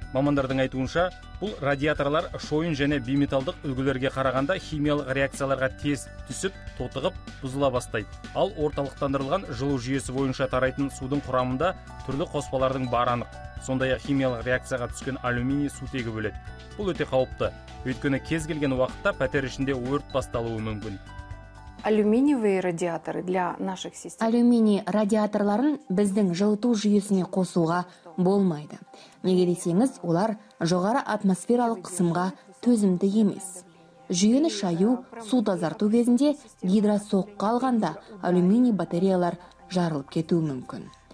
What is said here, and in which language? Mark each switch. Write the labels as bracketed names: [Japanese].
[Kazakh] Мамандардың айтуынша, бұл радиаторлар шойын және биметалдық үлгілерге қарағанда химиялық реакцияларға тез түсіп, тотығып, бұзыла бастайды. Ал орталықтандырылған жылу жүйесі бойынша тарайтын судың құрамында түрлі қоспалардың бары анық. Сондай-ақ химиялық реакцияға түскен алюминий сутегі бөледі. Бұл өте қауіпті, өйткені кез келген уақытта пәтер ішінде өрт басталуы мүмкін. [Russian] Алюминиевые радиаторы для наших систем. [Kazakh] Алюминий радиаторларын біздің жылыту жүйесіне қосуға болмайды. Неге десеңіз, олар жоғары атмосфералық қысымға төзімді емес. Жүйені шаю, су тазарту кезінде гидросоққа алғанда алюминий батареялар жарылып кетуі мүмкін.